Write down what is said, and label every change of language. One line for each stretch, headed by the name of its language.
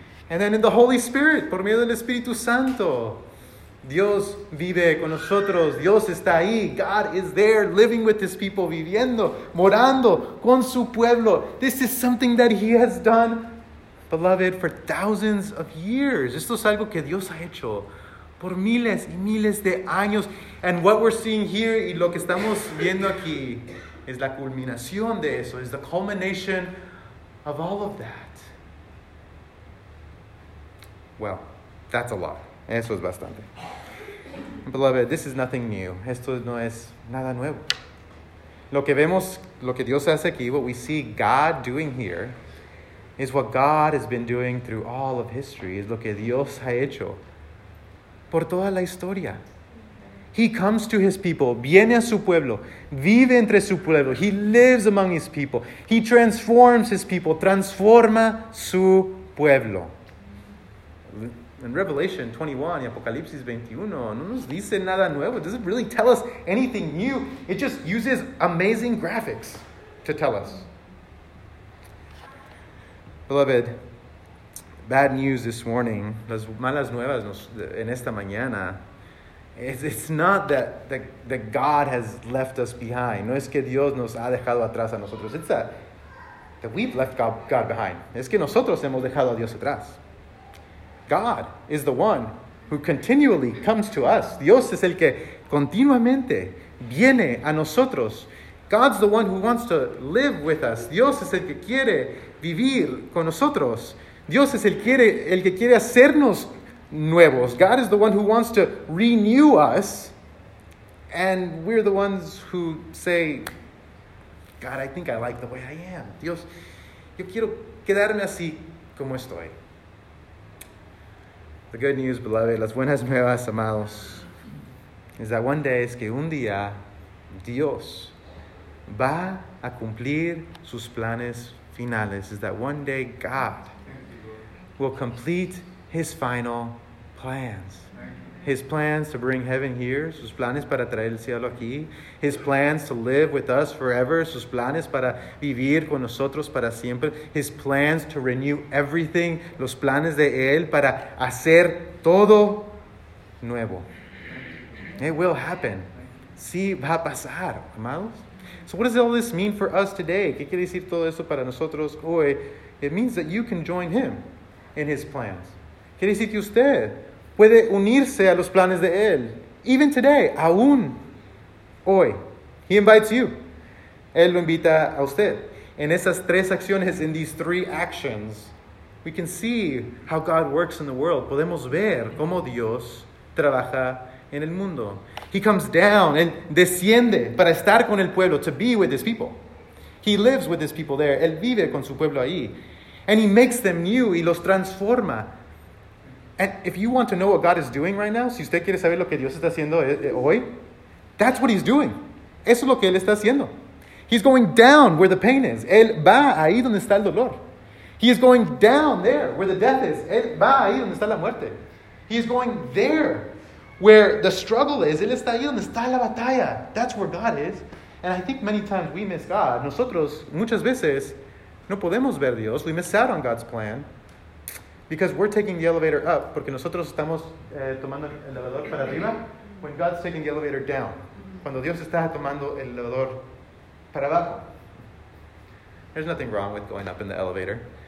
English: And then in the Holy Spirit,
Spanish: por medio del Espíritu Santo, Dios vive con nosotros, Dios está ahí,
English: God is there living with his people,
Spanish: viviendo, morando con su pueblo.
English: This is something that he has done, beloved, for thousands of years.
Spanish: Esto es algo que Dios ha hecho por miles y miles de años.
English: And what we're seeing here
Spanish: y lo que estamos viendo aquí es la culminación de eso,
English: is the culmination of all of that. Well, that's a lot.
Spanish: Eso es bastante.
English: Beloved, this is nothing new.
Spanish: Esto no es nada nuevo. Lo que vemos, lo que Dios hace aquí,
English: what we see God doing here, is what God has been doing through all of history.
Spanish: Es lo que Dios ha hecho por toda la historia.
English: He comes to his people,
Spanish: viene a su pueblo, vive entre su pueblo.
English: He lives among his people. He transforms his people,
Spanish: transforma su pueblo.
English: In Revelation 21
Spanish: y Apocalipsis 21, no nos dice nada nuevo.
English: It doesn't really tell us anything new. It just uses amazing graphics to tell us. Beloved, bad news this morning,
Spanish: las malas nuevas en esta mañana,
English: it's not that God has left us behind.
Spanish: No es que Dios nos ha dejado atrás a nosotros.
English: It's that we've left God behind.
Spanish: Es que nosotros hemos dejado a Dios atrás.
English: God is the one who continually comes to us.
Spanish: Dios es el que continuamente viene a nosotros.
English: God's the one who wants to live with us.
Spanish: Dios es el que quiere vivir con nosotros. Dios es el que quiere hacernos nuevos.
English: God is the one who wants to renew us. And we're the ones who say, God, I think I like the way I am.
Spanish: Dios, yo quiero quedarme así como estoy.
English: The good news, beloved,
Spanish: las buenas nuevas, amados,
English: is that one day,
Spanish: es que un día, Dios va a cumplir sus planes finales.
English: Is that one day, God will complete his final plans. His plans to bring heaven here,
Spanish: sus planes para traer el cielo aquí.
English: His plans to live with us forever,
Spanish: sus planes para vivir con nosotros para siempre.
English: His plans to renew everything,
Spanish: los planes de Él para hacer todo nuevo.
English: It will happen.
Spanish: Sí, va a pasar, amados.
English: So what does all this mean for us today?
Spanish: ¿Qué quiere decir todo eso para nosotros hoy?
English: It means that you can join Him in His plans.
Spanish: ¿Qué quiere decir que usted puede unirse a los planes de Él?
English: Even today,
Spanish: aún hoy,
English: He invites you.
Spanish: Él lo invita a usted. En esas tres acciones,
English: in these three actions, We can see how God works in the world.
Spanish: Podemos ver cómo Dios trabaja en el mundo.
English: He comes down and
Spanish: desciende para estar con el pueblo,
English: to be with his people. He lives with his people there.
Spanish: Él vive con su pueblo ahí.
English: And he makes them new.
Spanish: Y los transforma.
English: And if you want to know what God is doing right now,
Spanish: si usted quiere saber lo que Dios está haciendo hoy,
English: that's what he's doing.
Spanish: Eso es lo que él está haciendo.
English: He's going down where the pain is.
Spanish: Él va ahí donde está el dolor.
English: He is going down there where the death is.
Spanish: Él va ahí donde está la muerte.
English: He is going there where the struggle is.
Spanish: Él está ahí donde está la batalla.
English: That's where God is. And I think many times we miss God.
Spanish: Nosotros muchas veces no podemos ver Dios.
English: We miss out on God's plan because we're taking the elevator up.
Spanish: Porque nosotros estamos tomando el elevador para arriba
English: when God's taking the elevator down.
Spanish: Cuando Dios está tomando el elevador para abajo.
English: There's nothing wrong with going up in the elevator.